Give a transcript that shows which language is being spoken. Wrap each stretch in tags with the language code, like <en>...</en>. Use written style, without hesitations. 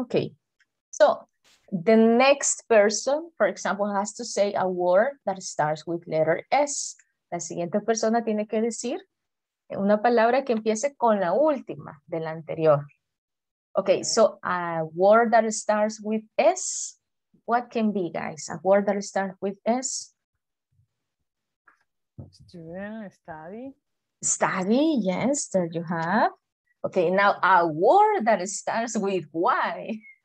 <en>Okay, so the next person, for example, has to say a word that starts with letter S.</en> <es>La siguiente persona tiene que decir una palabra que empiece con la última de la anterior.</es> <en>Okay, so a word that starts with S, what can be, guys? A word that starts with S? Student, study. Study, yes, there you have. Okay, now a word that starts with Y.</en>